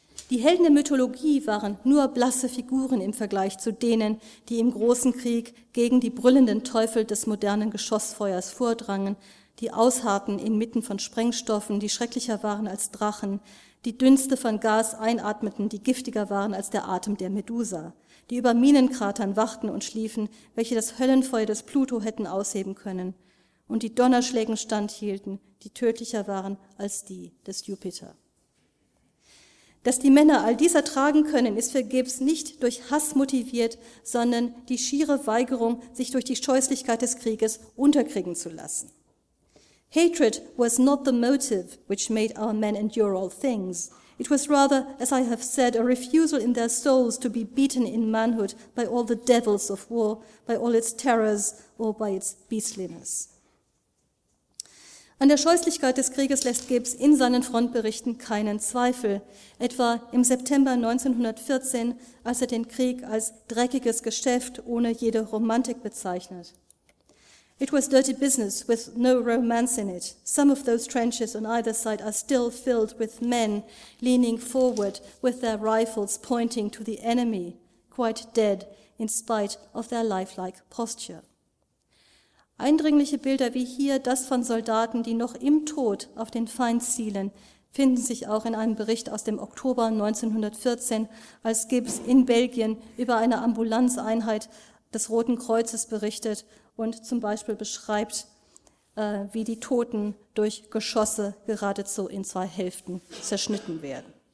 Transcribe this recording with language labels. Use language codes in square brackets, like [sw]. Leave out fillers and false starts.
[de] Die Helden der Mythologie waren nur blasse Figuren im Vergleich zu denen, die im großen Krieg gegen die brüllenden Teufel des modernen Geschossfeuers vordrangen, die ausharrten inmitten von Sprengstoffen, die schrecklicher waren als Drachen, die Dünste von Gas einatmeten, die giftiger waren als der Atem der Medusa, die über Minenkratern wachten und schliefen, welche das Höllenfeuer des Pluto hätten ausheben können, und die Donnerschlägen standhielten, die tödlicher waren als die des Jupiter. Dass die Männer all dies ertragen können, ist für Gibbs nicht durch Hass motiviert, sondern die schiere Weigerung, sich durch die Scheußlichkeit des Krieges unterkriegen zu lassen. [en] Hatred was not the motive which made our men endure all things. It was rather, as I have said, a refusal in their souls to be beaten in manhood by all the devils of war, by all its terrors or by its beastliness. [de] An der Scheußlichkeit des Krieges lässt Gibbs in seinen Frontberichten keinen Zweifel. Etwa im September 1914, als er den Krieg als dreckiges Geschäft ohne jede Romantik bezeichnet. [en] It was dirty business with no romance in it. Some of those trenches on either side are still filled with men leaning forward with their rifles pointing to the enemy, quite dead in spite of their lifelike posture. [de] Eindringliche Bilder wie hier das von Soldaten, die noch im Tod auf den Feind zielen, finden sich auch in einem Bericht aus dem Oktober 1914, als Gibbs in Belgien über eine Ambulanzeinheit des Roten Kreuzes berichtet und zum Beispiel beschreibt, wie die Toten durch Geschosse geradezu in zwei Hälften zerschnitten werden.